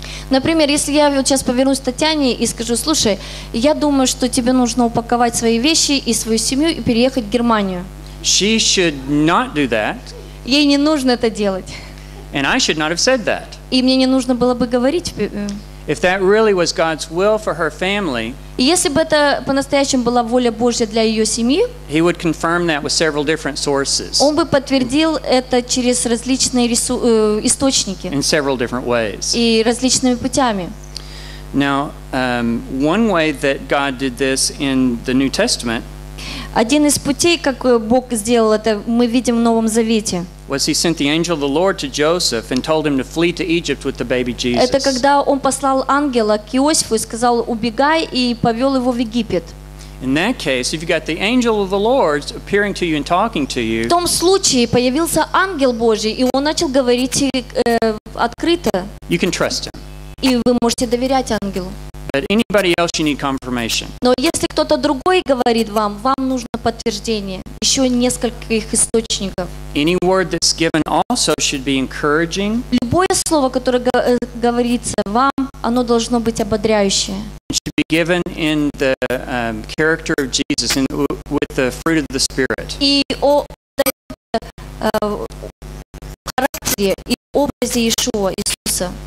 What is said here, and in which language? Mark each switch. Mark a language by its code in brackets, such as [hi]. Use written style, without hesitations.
[ru] Например, если я сейчас повернусь к Татьяне и скажу, слушай, я думаю, что тебе нужно упаковать свои вещи и свою семью и переехать в Германию. [en] She should not do that. [ru] Ей не нужно это делать. [en] And I should not have said that. [ru] И мне не нужно было бы говорить. [en] If that really was God's will for her family, [ru] если бы это по-настоящему была воля Божья для ее семьи, [en] he would confirm that with several different sources. [ru] Он бы подтвердил это через различные источники. [en] In several different ways. [ru] И различными путями. [en] Now, one way that God did this in the New Testament. [ru] Один из путей, как Бог сделал это, мы видим в Новом Завете. [en] Was he sent the angel of the Lord to Joseph and told him to flee to Egypt with the baby Jesus? [ru] Это когда он послал ангела к Иосифу и сказал: "Убегай", и повёл его в Египет. [en] In that case, if you got the angel of the Lord appearing to you and talking to you. [ru] В том случае появился ангел Божий, и он начал говорить открыто. [en] You can trust him. [ru] И вы можете доверять ангелу. [en] But anybody else, you need confirmation. [ru] Но если кто-то другой говорит вам, вам нужно подтверждение еще нескольких источников. [en] Any word that's given also should be encouraging. [ru] Любое слово, которое говорится вам, оно должно быть ободряющее. [en] It should be given in the character of Jesus and with the fruit of the Spirit. [ru] И о характере и образе Иешуа, Иисуса.